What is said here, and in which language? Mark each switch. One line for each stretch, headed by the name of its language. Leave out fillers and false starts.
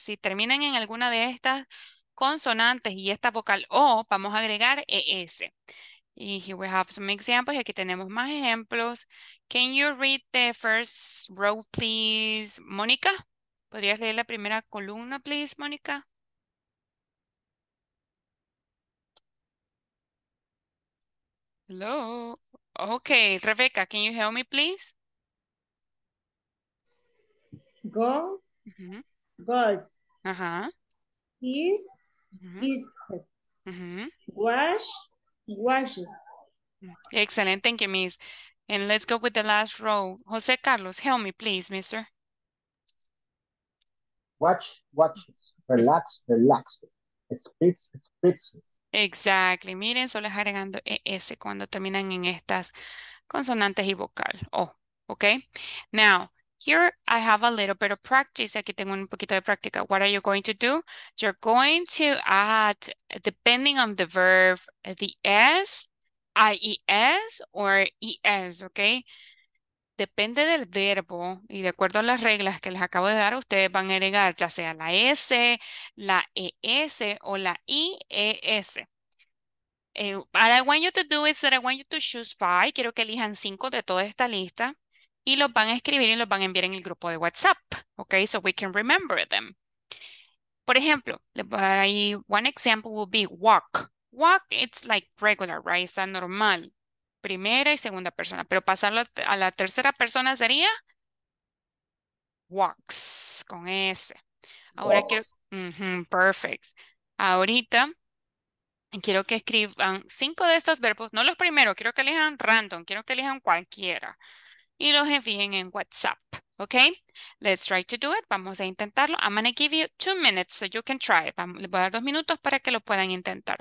Spanish: Si terminan en alguna de estas consonantes y esta vocal O, vamos a agregar ES. Y
English: here we have some examples.
Spanish: Y aquí tenemos más ejemplos.
English: Can you read the first row, please, Mónica?
Spanish: ¿Podrías leer la primera columna, please, Mónica?
English: Hello. Okay, Rebecca, can you help me, please? Go. Goes. Is. Is. Wash. Washes. Excellent. Thank you, Miss. And let's go with the last row. Jose Carlos, help me, please, mister. Watch. Watches. Relax. Relax. Speaks. Speaks. Exactly.
Spanish: Miren, solo agregando ES cuando terminan en estas consonantes y vocal. Oh, okay. Now,
English: Here I have a little bit of practice.
Spanish: Aquí tengo un poquito de práctica.
English: What are you going to do? You're going to add, depending on the verb, the S, IES or ES, okay?
Spanish: Depende del verbo y de acuerdo a las reglas que les acabo de dar, ustedes van a agregar ya sea la S, la ES o la IES.
English: What I want you to do is that I want you to choose 5.
Spanish: Quiero que elijan 5 de toda esta lista y los van a escribir y los van a enviar en el grupo de WhatsApp.
English: Okay, so we can remember them.
Spanish: Por ejemplo,
English: one example will be walk. Walk, it's like regular, right?
Spanish: Está normal. Primera y segunda persona. Pero pasarlo a la tercera persona sería walks, con S. Ahora quiero... perfect. Ahorita quiero que escriban 5 de estos verbos. No los primeros, quiero que elijan random. Quiero que elijan cualquiera. Y los envíen en WhatsApp.
English: Ok, let's try to do it.
Spanish: Vamos a intentarlo.
English: I'm going to give you 2 minutes so you can try it.
Spanish: Les voy a dar 2 minutos para que lo puedan intentar.